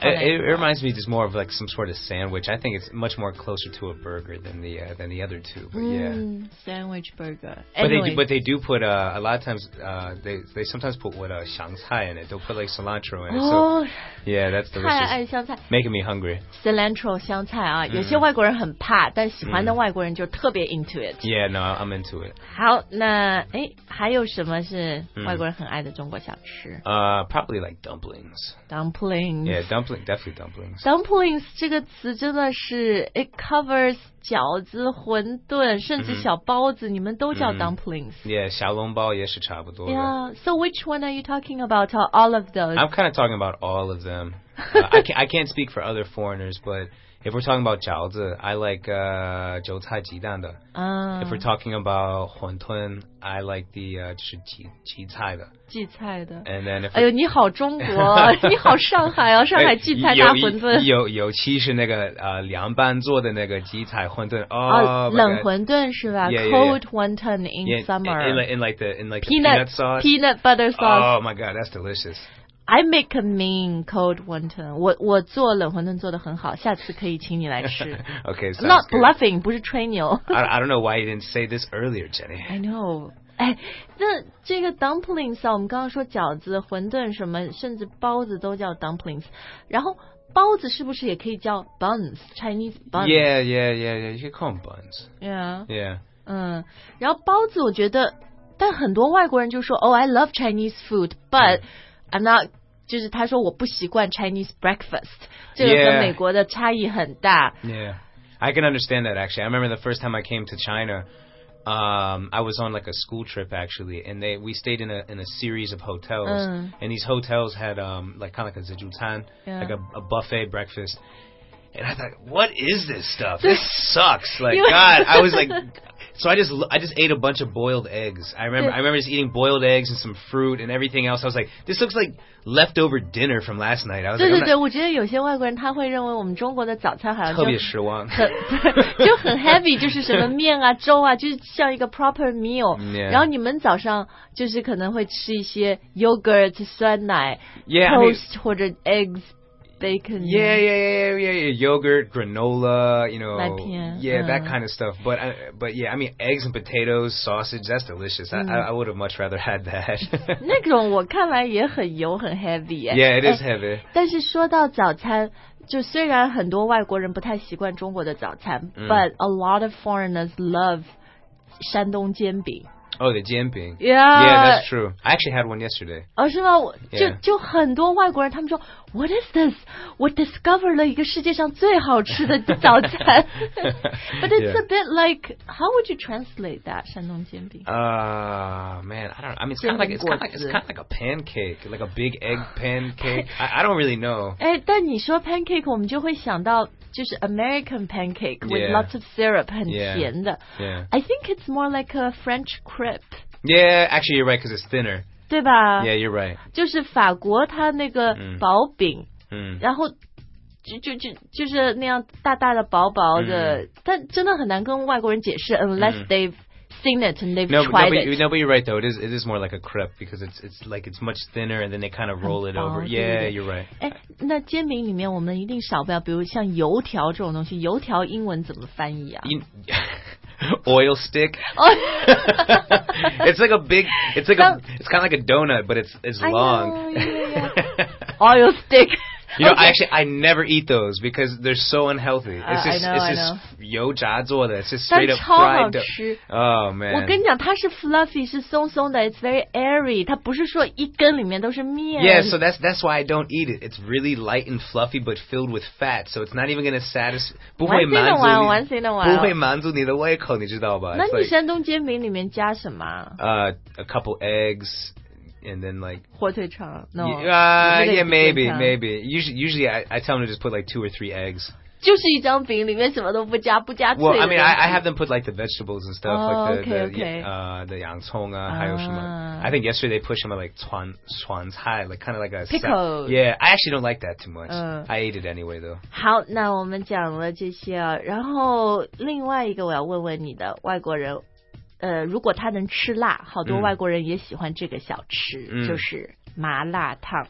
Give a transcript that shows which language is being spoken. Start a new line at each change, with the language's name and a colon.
English: it reminds me just more of like some sort of sandwich I think it's much more closer to a burger than the other two but sandwich burger but they do put a lot of times they sometimes put what 香菜 in it they'll put like cilantro in it、yeah that's delicious
Chinese: 太爱香菜
English: making me hungry
Chinese: cilantro 香菜啊、有些外国人很怕但喜欢的外国人就特别
English: into it. Yeah, no, I'm into it.
Chinese: 好，那哎，还有什么是外国人很爱的中国小吃？
English: Probably like dumplings. Dumplings. Yeah, dumpling, definitely dumplings.
Chinese: Dumplings 这个词真的是
English: it covers
Chinese: 饺子、馄饨，甚至小包子， mm-hmm. 你们都叫 dumplings.、 Mm-hmm. Yeah, 小笼包也是差不多。
English: Yeah, so which one are you talking about? All of those? I'm kind of talking about all of them. I can't speak for other foreigners, but. If we're talking about 饺子, I like 韭菜鸡蛋的。 If we're talking about 馄饨, I like the
Chinese: 就是荠菜的。荠菜的。
English: And then if
Chinese: 哎呦，你好中国，你好上海哦，上海荠菜大馄饨。尤其是那个凉拌做的那个荠菜馄饨。哦，冷馄饨是吧 ？
English: Cold wonton in summer. In like peanut sauce. Peanut butter sauce. Oh my god, that's delicious. I make a mean cold wonton.
Chinese: 我做冷馄饨做得很好，下次可以请你来吃。
English: Okay, not、 good.
Chinese: bluffing, 不是吹牛。
English: I don't know why you didn't say this earlier, Jenny. I know.
Chinese: 哎，那这个 dumplings 啊，我们刚刚说饺子、馄饨什么，甚至包子都叫 dumplings。然后包子是不是也可以叫 buns?
English: Chinese buns? Yeah. You can call them buns. Yeah.
Chinese: 嗯，然后包子我觉得，但很多外国人就说 ，
English: Oh, I love Chinese food, but、
Chinese: mm.
English: I'm not,
Chinese: 就是他说我不习惯 Chinese breakfast, 这个和美国的差异很大。
English: Yeah, I can understand that actually. I remember the first time I came to China, I was on like a school trip actually, and we stayed in a series of hotels,、and these hotels had like kind of like a 自助餐, like a buffet breakfast. And I thought, what is this stuff? This sucks. Like, God, I was like... So I just ate a bunch of boiled eggs. I remember just eating boiled eggs and some fruit and everything else. I was like, this looks like leftover dinner from last night. I was
Chinese: 对对对 like, not, 我觉得有些外国人他会认为我们中国的早餐好像特别失望，就很 heavy， 就是什么面啊粥啊，就是像一个 proper meal、 yeah.。然后你们早上就是可能会吃一些 yogurt 酸奶
English: yeah, ，toast I mean,
Chinese: 或者 eggs。Bacon.
English: Yeah. Yogurt, granola, you know.
Chinese: 麦片
English: Yeah,、that kind of stuff. But yeah, I mean, eggs and potatoes, sausage, that's delicious.、I would have much rather had that.
Chinese: 那种我看来也很油很 heavy.、
English: Yeah, it is heavy.
Chinese: 但是说到早餐就虽然很多外国人不太习惯中国的早餐、
English: but a lot of foreigners love
Chinese: 山东煎饼。
English: Oh, the 煎饼 Yeah, that's true. I actually had one yesterday.
Chinese: 哦，是吗？就很多外国人，他们说 ，
English: What is this?
Chinese: 我 discovered 了一个世界上最好吃的早餐。
English: But it's、a bit like, how would you translate that?
Chinese: 山东煎饼
English: man, I don't. I mean, it's kind of like a pancake, like a big egg pancake. I don't really know.
Chinese: 哎，但你说 pancake， 我们就会想到就是
English: American pancake with lots of syrup，
Chinese: 很甜的。
English: Yeah. I think it's more like a French croissant. Yeah, actually you're right because it's thinner.
Chinese: 对吧
English: Yeah, you're right.
Chinese: 就是法国它那个薄饼、然后就是那样大大的薄薄的、但真的很难跟外国人解释
English: unless、they've seen it and they've tried it. No, but you're right though. It is more like a crepe because it's like it's much thinner and then they kind of roll it over. Yeah, you're right.
Chinese: 哎，那煎饼里面我们一定少不了比如像油条这种东西油条英文怎么翻译啊
English: Oil stick. it's like a big. It's like a. It's kind of like a donut, but it's long. Know, yeah. Oil stick. You know,、okay. I never eat those because they're so unhealthy. It's just, I know. It's just
Chinese: 油炸做的
English: It's just straight up fried. Oh man.
Chinese: 我跟你讲，它是 fluffy， 是松松的
English: It's very airy.
Chinese: 它不是说一根里面都是面
English: Yeah, so that's why I don't eat it. It's really light and fluffy, but filled with fat. So it's not even gonna satisfy.
Chinese: 不会满足你。玩心的玩，玩心的玩。不会满足你的胃口，你知道吧？那你山东煎饼里面加什么？
English: A couple eggs. and then like...
Chinese: 火腿肠 no.
English: Yeah, maybe. Usually I tell them to just put like two or three eggs.
Chinese: 就是一张饼里面什么都不加不加脆的。
English: Well, I mean, I have them put like the vegetables and stuff,、 oh, like the, okay, okay.
Chinese: The 洋葱啊、ah. 还有什么。
English: I think yesterday they put some like 川菜 like kind of like a... Pickled. Yeah, I actually don't like that too much.、I ate it anyway though.
Chinese: 好那我们讲了这些啊然后另外一个我要问问你的外国人如果他能吃辣好多外国人也喜欢这个小吃、就是麻辣烫